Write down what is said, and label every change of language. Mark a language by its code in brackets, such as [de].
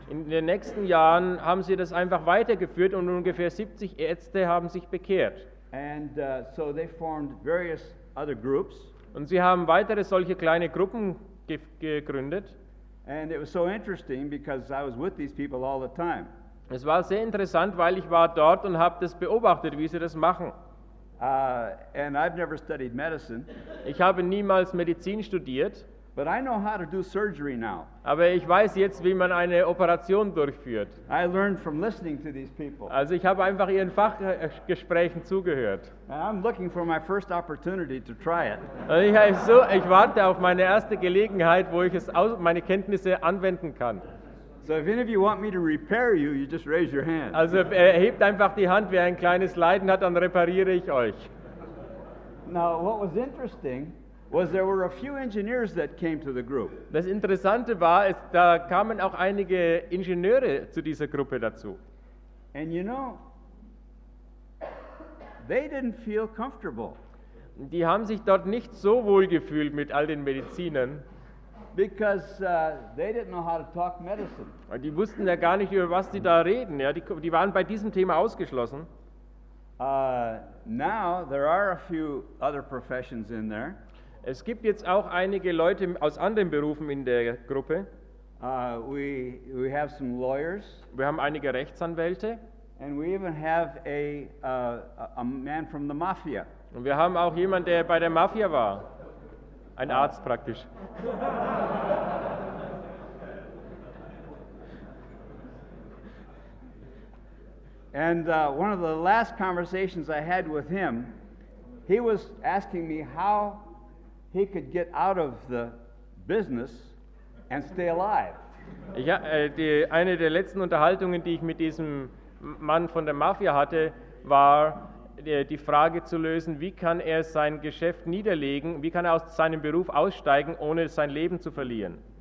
[de] In den nächsten Jahren haben sie das einfach weitergeführt und ungefähr 70 Ärzte haben sich bekehrt. [en] And so they formed various other groups. [de] Und sie haben weitere solche kleine Gruppen gegründet. [en] And it was so interesting because I was with these people all the time. [de] Es war sehr interessant, weil ich war dort und habe das beobachtet, wie sie das machen. [en] And I've never studied medicine. [de] Ich habe niemals Medizin studiert. [en] But I know how to do surgery now. [de] Aber ich weiß jetzt, wie man eine Operation durchführt. [en] I learned from listening to these people. [de] Also ich habe einfach ihren Fachgesprächen zugehört. [en] And I'm looking for my first opportunity to try it. [de] Ich warte auf meine erste Gelegenheit, wo ich meine Kenntnisse anwenden kann. [en] So if any of you want me to repair you, you just raise your hand. [de] Also hebt einfach die Hand, wer ein kleines Leiden hat, dann repariere ich euch. [en] Now what was interesting was there were a few engineers that came to the group. [de] Das Interessante war, da kamen auch einige Ingenieure zu dieser Gruppe dazu. [en] And you know, they didn't feel comfortable. [de] Die haben sich dort nicht so wohl gefühlt mit all den Medizinern. [en] Because they didn't know how to talk medicine. [de] Die wussten ja gar nicht, über was sie da reden. Ja, die waren bei diesem Thema ausgeschlossen. [en] Now there are a few other professions in there. [de] Es gibt jetzt auch einige Leute aus anderen Berufen in der Gruppe. [en] We have some lawyers. [de] Wir haben einige Rechtsanwälte. [en] And we even have a man from the mafia. [de] Und wir haben auch jemand, der bei der Mafia war. Ein Arzt praktisch. [en] And one of the last conversations I had with him, he was asking me how he could get out of the business and stay alive. [de] Ja, die eine der letzten Unterhaltungen, die ich mit diesem Mann von der Mafia hatte, war die Frage zu lösen, wie kann er sein Geschäft niederlegen, wie kann er aus seinem Beruf aussteigen, ohne sein Leben zu verlieren.